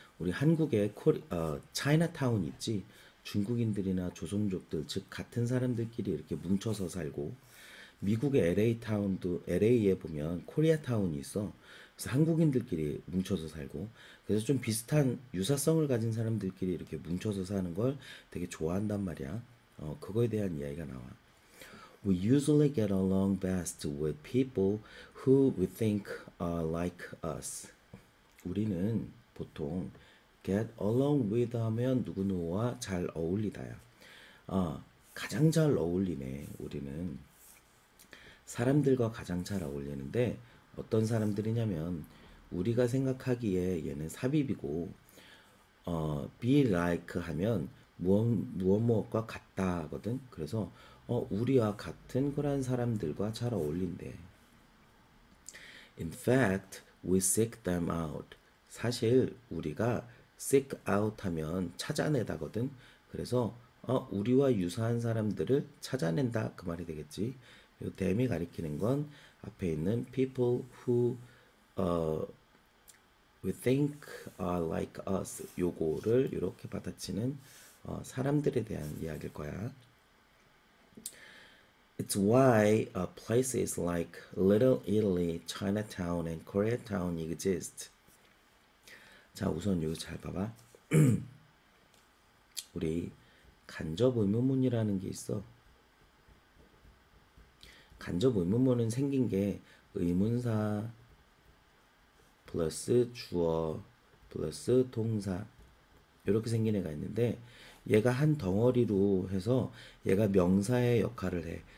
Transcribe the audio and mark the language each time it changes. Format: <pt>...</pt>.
<ko>우리 한국에 차이나타운 있지? 중국인들이나 조선족들, 즉 같은 사람들끼리 이렇게 뭉쳐서 살고, 미국의 LA 타운도 LA에 보면 코리아 타운이 있어. 그래서 한국인들끼리 뭉쳐서 살고, 그래서 좀 비슷한 유사성을 가진 사람들끼리 이렇게 뭉쳐서 사는 걸 되게 좋아한단 말이야. 그거에 대한 이야기가 나와.</ko> <en>We usually get along best with people who we think are like us.</en> <ko>우리는 보통</ko> <en>get along with</en> <ko>하면 누구누구와 잘 어울리다야. 가장 잘 어울리네, 우리는. 사람들과 가장 잘 어울리는데, 어떤 사람들이냐면, 우리가 생각하기에 얘는 삽입이고,</ko> <en>be like</en> <ko>하면 무엇무엇과 같다 하거든. 그래서, 우리와 같은 그런 사람들과 잘 어울린대.</ko> <en>In fact, we seek them out.</en> <ko>사실, 우리가</ko> <en>seek out</en> <ko>하면 찾아내다거든. 그래서, 우리와 유사한 사람들을 찾아낸다. 그 말이 되겠지. 요 댐이 가리키는 건 앞에 있는</ko> <en>people who we think are like us.</en> <ko>요거를 이렇게 받아치는 사람들에 대한 이야기일 거야.</ko> <en>It's why places like Little Italy, Chinatown, and Koreatown exist.</en> <ko>자, 우선 요거 잘 봐봐. 우리 간접 의문문이라는 게 있어. 간접 의문문은 생긴 게 의문사 플러스 주어 플러스 동사 이렇게 생긴 애가 있는데 얘가 한 덩어리로 해서 얘가 명사의 역할을 해.</ko>